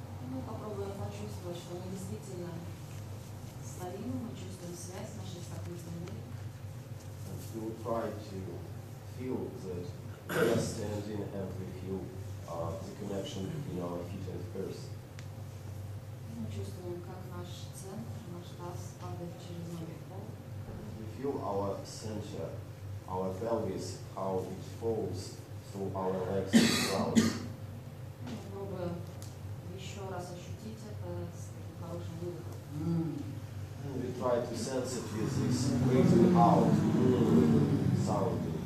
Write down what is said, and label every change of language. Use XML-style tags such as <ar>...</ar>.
<ru>Ну, попробуем почувствовать, что мы действительно стоим, мы чувствуем связь нашей с такой землей.</ru> <en>And we will try to feel that we are standing and we feel the connection between our feet and earth.</en> <ru>Мы чувствуем, как наш центр, наш таз падает через ноги в пол.</ru> <en>We feel our center, our pelvis, how it falls our legs and the ground.</en> <ru>Попробуем еще раз ощутить это с таким хорошим выдохом.</ru> <en>And we try to sense it with this breathing out sound.</en>